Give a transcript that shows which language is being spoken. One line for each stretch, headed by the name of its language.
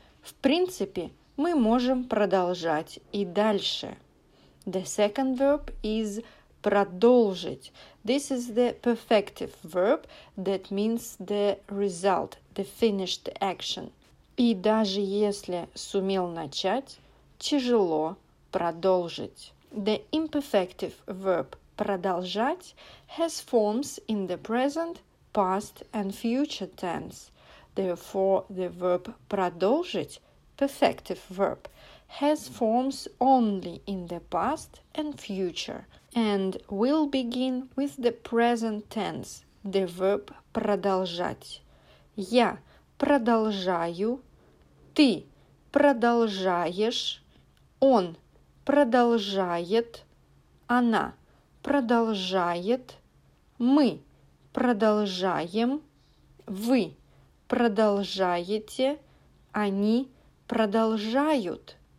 Russian: В принципе, мы можем продолжать и дальше.
English: The second verb is продолжить. This is the perfective verb that means the result, the finished action.
Russian: И даже если сумел начать, тяжело продолжить.
English: The imperfective verb продолжать has forms in the present, past and future tense. Therefore, the verb продолжить, perfective verb, has forms only in the past and future, and will begin with the present tense, the verb продолжать.
Russian: Я продолжаю, ты продолжаешь, он продолжает, она продолжает, мы продолжаем, вы продолжаете, они продолжают.